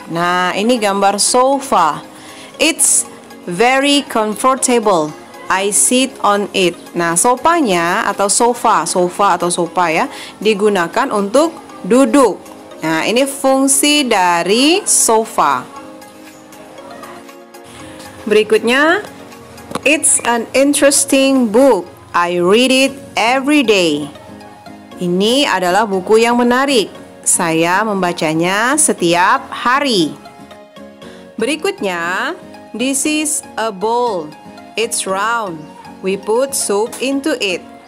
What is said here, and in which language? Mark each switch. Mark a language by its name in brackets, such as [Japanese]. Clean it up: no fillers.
[Indonesian] Nah, ini gambar sofa. [English] It's very comfortable. I sit on it. [Indonesian] Nah, sofanya atau sofa, sofa atau sofa ya, digunakan untuk duduk. Nah, ini fungsi dari sofa. Berikutnya, [English] it's an interesting book. I read it every day. [Indonesian] Ini adalah buku yang menarik. Saya membacanya setiap hari. Berikutnya, [English] this is a bowl. It's round. We put soup into it.